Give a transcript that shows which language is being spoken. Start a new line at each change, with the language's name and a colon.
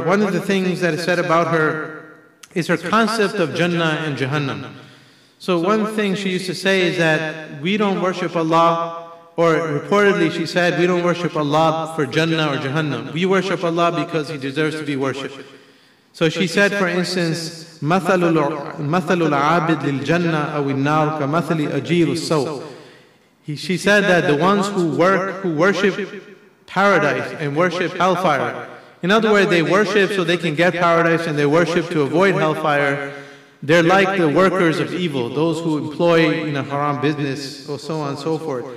English: One of the things that is said about her is her concept of Jannah and Jahannam. So one thing she used to say is that we don't worship Allah, or reportedly she said, we don't worship Allah for Jannah or Jahannam. We worship Allah because He deserves to be worshipped. So she said, for instance,
Arabic: مَثَلُ الْعَابِدْ لِلْجَنَّةِ أَوِ النَّارُ كَمَثَلِ أَجِيلُ السَّوْءِ.
English: She said that the ones who worship paradise and worship hellfire, in other words, they worship so they can get paradise and they worship to avoid hellfire, they're like the workers of evil, those who employ in a haram business, or so on and so forth.